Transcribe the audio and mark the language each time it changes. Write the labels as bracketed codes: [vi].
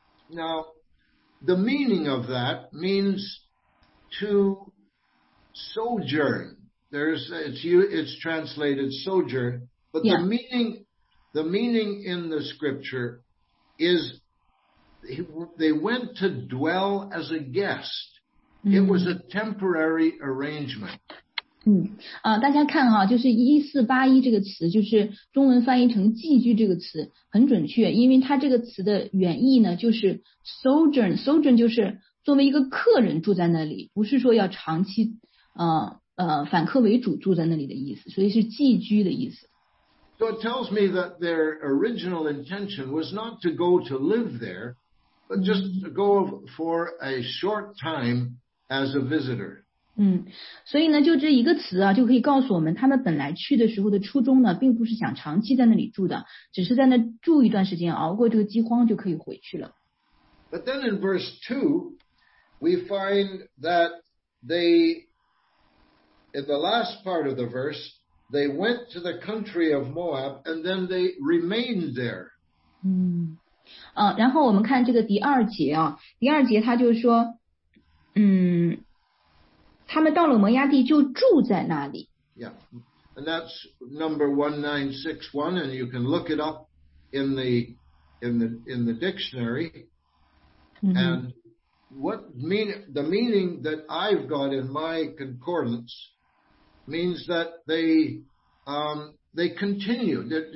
[en] Now, the meaning of that means to sojourn. It's translated sojourn, but the meaning in the scripture is they went to dwell as a guest. It was a temporary arrangement. [zh] 大家看哈，就是1481这个词，就是中文翻译成寄居这个词很准确，因为它这个词的原意呢就是 sojourn 就是作为一个客人住在那里，不是说要长期反客为主住在那里的意思，所以是寄居的意思。 [en] So it tells me that their original intention was not to go to live there, but just to go for a short time as a visitor. [zh] 所以呢就这一个词啊就可以告诉我们，他们本来去的时候的初衷呢并不是想长期在那里住的，只是在那住一段时间，熬过这个饥荒就可以回去了。 [en] But then in verse 2 we find that they in the last part of the verse they went to the country of Moab and then they remained there. [zh] 然后我们看这个第二节啊，第二节他就说他们到了摩押地就住在那里。 [en] Yeah, and that's number 1961, and you can look it up in the dictionary. And the meaning that I've got in my concordance means that they continued.